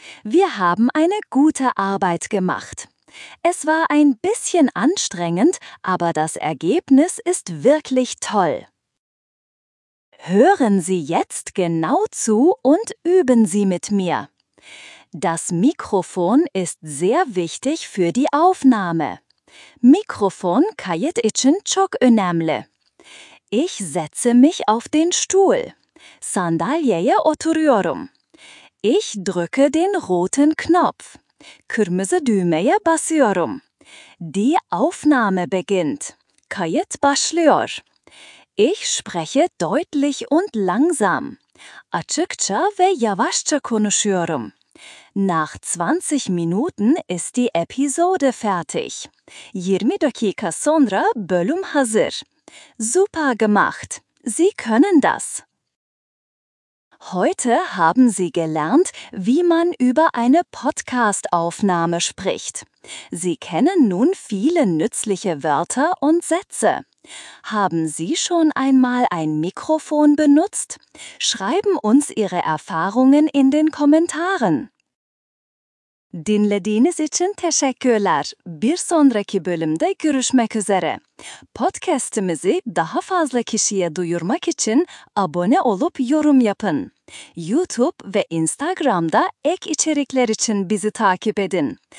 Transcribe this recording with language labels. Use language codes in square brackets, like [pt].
[de] Wir haben eine gute Arbeit gemacht. Es war ein bisschen anstrengend, aber das Ergebnis ist wirklich toll. Hören Sie jetzt genau zu und üben Sie mit mir. Das Mikrofon ist sehr wichtig für die Aufnahme. [tr] Mikrofon kayıt için çok önemli. [de] Ich setze mich auf den Stuhl. [tr] Sandalyeye oturuyorum. [de] Ich drücke den roten Knopf. [tr] Kırmızı düğmeye basıyorum. [de] Die Aufnahme beginnt. [tr] Kayıt başlıyor. [de] Ich spreche deutlich und langsam. [tr] Açıkça ve yavaşça konuşuyorum. [de] Nach 20 Minuten ist die Episode fertig. [tr] 20 dakika sonra bölüm hazır. [de] Super gemacht! Sie können das! Heute haben Sie gelernt, wie man über eine Podcast-Aufnahme spricht. Sie kennen nun viele nützliche Wörter und Sätze. Haben Sie schon einmal ein Mikrofon benutzt? Schreiben uns Ihre Erfahrungen in den Kommentaren. [tr] Dinlediğiniz için teşekkürler. Bir sonraki bölümde görüşmek üzere. Podcast'imizi daha fazla kişiye duyurmak için abone olup yorum yapın. YouTube ve Instagram'da ek içerikler için bizi takip edin.